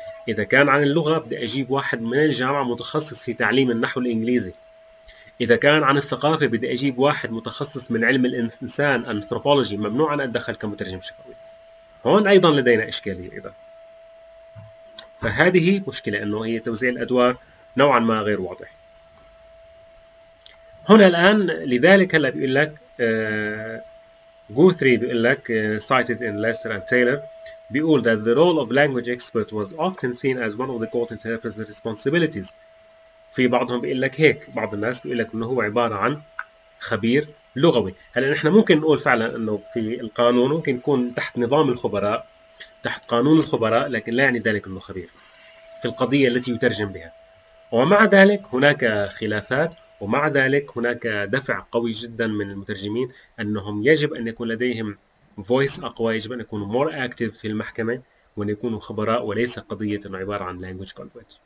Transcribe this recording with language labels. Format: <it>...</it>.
<ar>إذا كان عن اللغة بدي أجيب واحد من الجامعة متخصص في تعليم النحو الإنجليزي، إذا كان عن الثقافة بدي أجيب واحد متخصص من علم الإنسان أنثروبولوجي، ممنوع أن أتدخل كمترجم شفوي. هون أيضا لدينا إشكالية إذا. فهذه مشكلة، أنه هي توزيع الأدوار نوعا ما غير واضح. هنا الآن لذلك هلا بيقول لك</ar> <en>Guthrie</en> <ar>بيقول لك</ar> <en>cited in Lester and Taylor</en> <ar>بيقول</ar> <en>that the role of language expert was often seen as one of the court interpreter's responsibilities.</en> <ar>في بعضهم بيقول لك هيك، بعض الناس بيقول لك انه هو عبارة عن خبير لغوي. هلا نحن ممكن نقول فعلا انه في القانون ممكن يكون تحت نظام الخبراء، تحت قانون الخبراء، لكن لا يعني ذلك انه خبير في القضية التي يترجم بها. ومع ذلك هناك خلافات، ومع ذلك هناك دفع قوي جدا من المترجمين انهم يجب ان يكون لديهم فويس اقوى، يجب ان يكونوا</ar> <en>more active</en> <ar>في المحكمه وان يكونوا خبراء، وليس قضيه انه عباره عن</ar> <en>Language converge.</en>